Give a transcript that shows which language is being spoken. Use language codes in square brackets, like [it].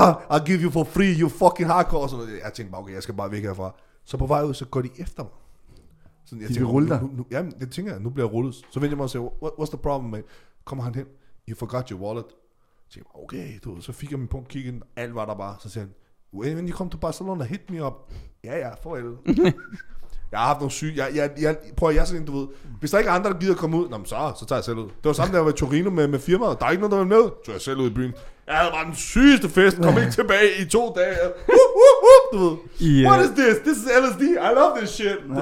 [en] I'll give you for free, you fucking hardcore. [da] Og sådan, jeg tænkte bare, okay, jeg skal bare væk herfra. Så på vej ud, så går de efter mig. Sådan, jeg de tænker, vil rulle dig? Jamen, det tænker jeg, nu bliver jeg rullet. Så vender jeg mig og siger, [en] what's the problem, man? [da] Kommer han hen? [en] You forgot your wallet. [da] Så siger okay, du. Så fik jeg min punkt, kiggede, alt var der bare. Så siger han, [en] when you come to Barcelona, hit me up. [da] Ja, for helvede. Jeg har haft nogle syge. Jeg prøver sådan en, du ved. Hvis der ikke er andre, der gider at komme ud, nå, så tager jeg selv ud. Det var samme, da jeg var i Torino med firmaet. Der er ikke nogen, der var med. Så tog jeg selv ud i byen. Jeg havde bare den sygeste fest. Kom ikke tilbage i 2 dage. Du ved. [en] Yeah. What is this? This is LSD. I love this shit. Ja,